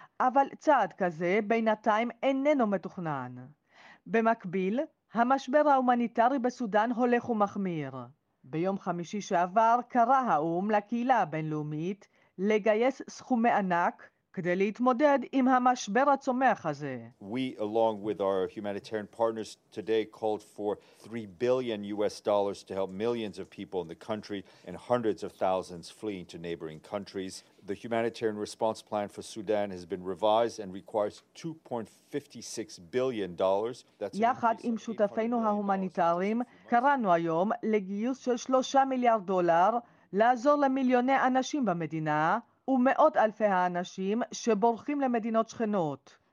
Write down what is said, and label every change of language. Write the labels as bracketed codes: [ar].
[he] אבל צעד כזה בינתיים איננו מתוכנן. במקביל, המשבר ההומניטרי בסודן הולך ומחמיר. ביום חמישי שעבר קרא האום לקהילה הבינלאומית לגייס סכומי ענק כדי להתמודד עם המשבר הצומח הזה. [en] We along with our humanitarian partners today called for $3 billion to help millions of people in the country and hundreds of thousands fleeing to neighboring countries. The humanitarian response plan for Sudan has been revised and requires $2.56 billion. [he] That's יחד עם שותפינו ההומניטריים קראנו היום לגיוס של $3 מיליארד לעזור למיליוני אנשים במדינה ומאות אלפי האנשים שבורחים למדינות שכנות.